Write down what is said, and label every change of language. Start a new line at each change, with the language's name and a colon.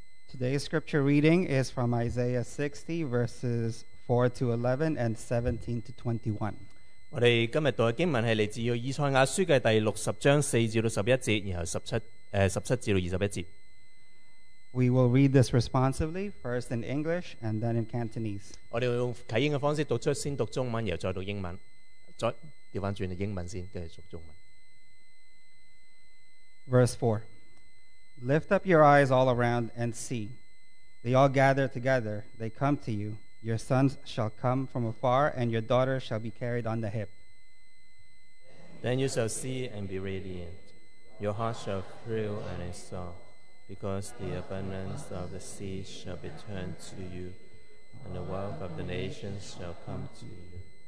English: Today's scripture reading is from Isaiah 60, verses 4 to 11 and 17 to 21.
Chinese: 我们今天读的经文是来自于以赛亚书的第六十章四至到十一节，然后十七至到二十一节。
English: We will read this responsively, first in English and then in Cantonese.
Chinese: 我们用启英的方式读出，先读中文，然后再读英文，再调翻转英文先，跟住读中文。
English: Verse 4. Lift up your eyes all around and see. They all gather together, they come to you. Your sons shall come from afar, and your daughters shall be carried on the hip. Then you shall see and be radiant. Your heart shall thrill and exult, because the abundance of the sea shall be turned to you, and the wealth of the nations shall come to you.